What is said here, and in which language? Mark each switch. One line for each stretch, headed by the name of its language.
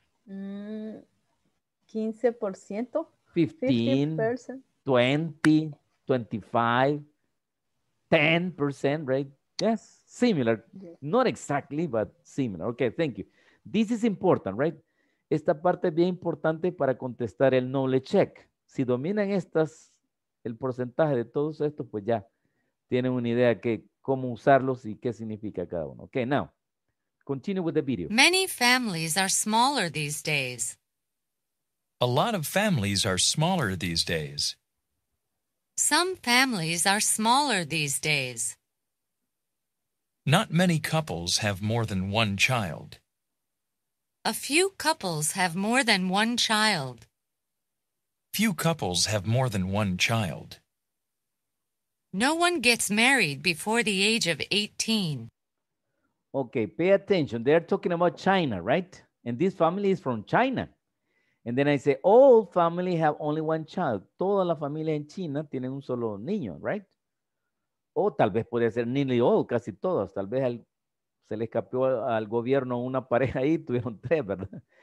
English: Mm, 15%, 15, 20, 25, 10%, right? Yes, similar. Yes. Not exactly, but similar. Okay, thank you. This is important, right?
Spanish: Esta parte es bien importante para contestar el knowledge check. Si dominan estas, el porcentaje de todos estos, pues ya tienen una idea de cómo usarlos y qué significa cada uno.
English: Okay, now, continue with the video. Many families are smaller these days. A lot of families are smaller these days. Some families are smaller these days. Not many couples have more than one child. A few couples have more than one child. Few couples have more than one child. No one gets married before the age of 18. Okay, pay attention. They're talking about China, right? And this family is from China. And then I say, all family have only one child.
Spanish: Toda la familia en China tiene un solo niño,
English: right?
Spanish: O tal vez puede ser
English: nearly all,
Spanish: casi todos. Tal vez se le escapó al gobierno una pareja ahí, tuvieron tres, ¿verdad?